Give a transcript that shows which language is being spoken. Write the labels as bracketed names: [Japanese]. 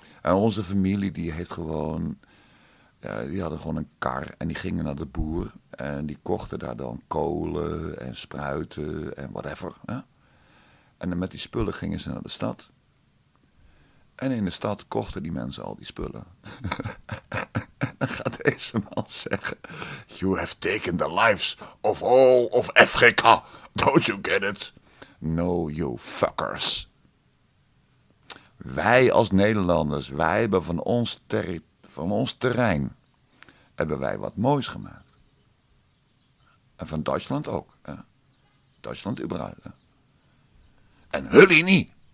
[Dutch] En onze familie die heeft gewoon... Ja, die hadden gewoon een kar en die gingen naar de boer. En die kochten daar dan kolen en spruiten en whatever. Hè? En dan met die spullen gingen ze naar de stad. En in de stad kochten die mensen al die spullen. En dan gaat deze man zeggen... [English] You have taken the lives of all of Africa. Don't you get it? No, you fuckers. [Dutch] Wij als Nederlanders, wij hebben van ons territorium... Van ons terrein hebben wij wat moois gemaakt. En van Duitsland ook. Hè? Duitsland überhaupt. Hè? En jullie niet.